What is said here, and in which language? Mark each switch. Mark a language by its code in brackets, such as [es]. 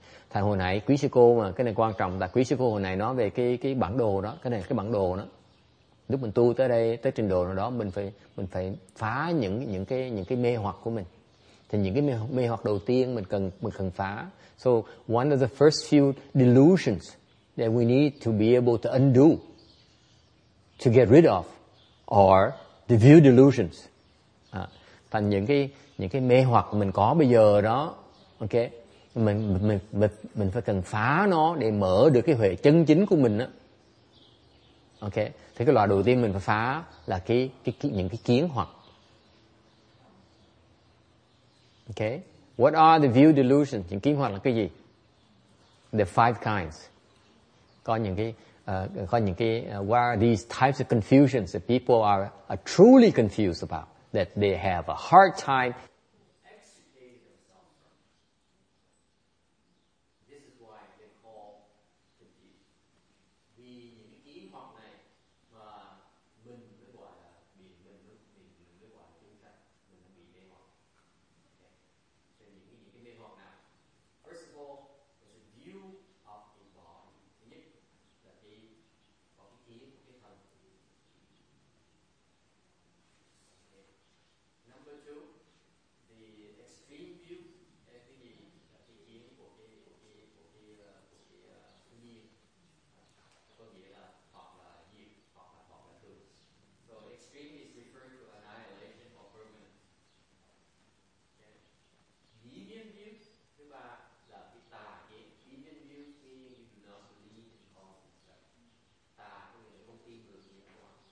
[vi] Thầy hồi nãy quý sư cô mà cái này quan trọng là quý sư cô hồi nãy nói về cái bản đồ đó, cái này cái bản đồ đó. Lúc mình tu tới đây, tới trình độ nào đó, mình phải phá những cái mê hoặc của mình. Thì những cái mê hoặc đầu tiên mình cần phá. [en] So one of the first few delusions that we need to be able to undo, to get rid of, are the view delusions. [vi] Thành những cái mê hoặc mình có bây giờ đó, okay, mình phải cần phá nó để mở được cái huệ chân chính của mình đó. Okay, thì cái loại đầu tiên mình phải phá là những cái kiến hoặc. [en] Okay, what are the view delusions? [vi] Những kiến hoặc là cái gì? [en] The five kinds. [vi] Có những cái [en] what are these types of confusions that people are truly confused about, that they have a hard time. Number two, the extreme view, extreme is referring to annihilation or permanence. Deviant view, [vi] thứ ba là cái tà kiến. [en] Deviant view meaning you do not believe in all of this. [vi] Tà có nghĩa là không tin vào nghĩa của nó.